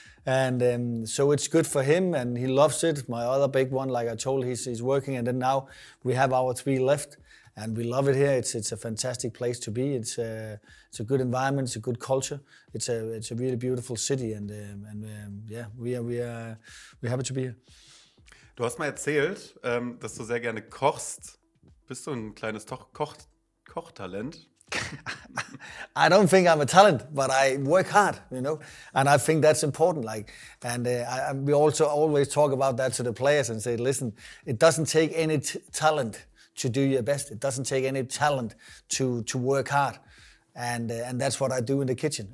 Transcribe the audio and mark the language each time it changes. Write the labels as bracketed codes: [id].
[en] And so it's good for him and he loves it. My other big one, like I told, he's working, and then now we have our three left and we love it here. It's a fantastic place to be. It's a good environment, it's a good culture. It's a really beautiful city, and we're happy to be here. [de] Du hast mal erzählt, dass du sehr gerne kochst. Bist du ein kleines Kochtalent? [en] I don't think I'm a talent, but I work hard, you know, and I think that's important. Like, and we also always talk about that to the players and say, listen, it doesn't take any talent to do your best. It doesn't take any talent to work hard. And that's what I do in the kitchen.